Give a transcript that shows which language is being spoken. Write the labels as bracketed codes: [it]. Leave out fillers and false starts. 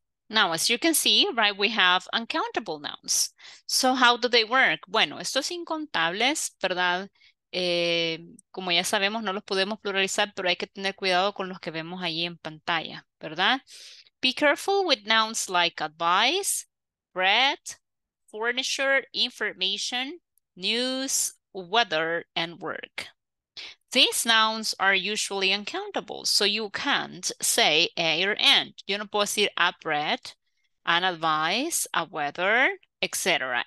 [en] Now, as you can see, right, we have uncountable nouns. So, how do they work? [es] Bueno, estos incontables, ¿verdad? Como ya sabemos, no los podemos pluralizar, pero hay que tener cuidado con los que vemos ahí en pantalla, ¿verdad? [en] Be careful with nouns like advice, bread, furniture, information, news, weather, and work. These nouns are usually uncountable, so you can't say A or N. [es] Yo no puedo decir [en] a bread, an advice, a weather, [es] etc.